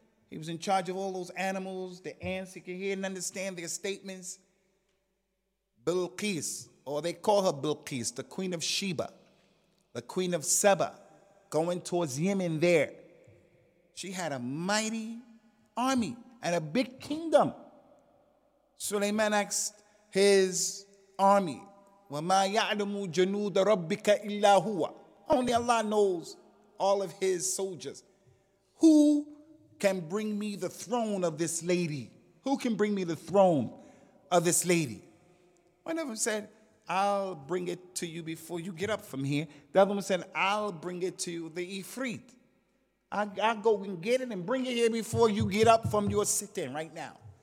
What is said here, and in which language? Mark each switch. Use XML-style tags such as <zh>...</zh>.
<en>He was in charge of all those animals, the ants. He could hear and understand their statements. Bilqis, or they call her Bilqis, the queen of Sheba, the queen of Saba, going towards Yemen there. She had a mighty army and a big kingdom. Sulaiman asked his army,</en> <ar>وَمَا يَعْلَمُ جَنُودَ رَبِّكَ إِلَّا هُوَ.</ar> <en>Only Allah knows all of his soldiers. Who can bring me the throne of this lady? Who can bring me the throne of this lady? One of them said, I'll bring it to you before you get up from here. The other one said, I'll bring it to you, the Ifrit. I'll go and get it and bring it here before you get up from your sitting right now.</en>